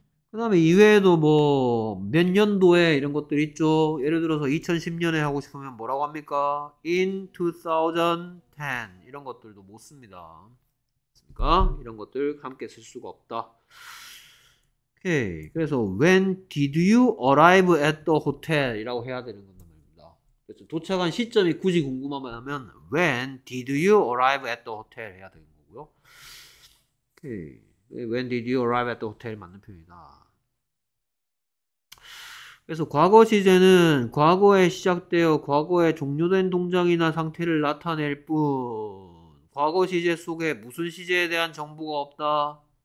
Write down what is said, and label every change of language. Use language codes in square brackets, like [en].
[ko] 그 다음에 이외에도 뭐몇 년도에 이런 것들 있죠. 예를 들어서 2010년에 하고 싶으면 뭐라고 합니까? In 2010 이런 것들도 못 씁니다. 그러니까 이런 것들 함께 쓸 수가 없다. 오케이. [en] 그래서 When did you arrive at the hotel? [ko] 이라고 해야 되는 건가요? 도착한 시점이 굳이 궁금하면 When did you arrive at the hotel 해야 되는 거고요. 오케이. [en] When did you arrive at the hotel 맞는 표현이다. [ko] 그래서 과거 시제는 과거에 시작되어 과거에 종료된 동작이나 상태를 나타낼 뿐 과거 시제 속에 무슨 시제에 대한 정보가 없다.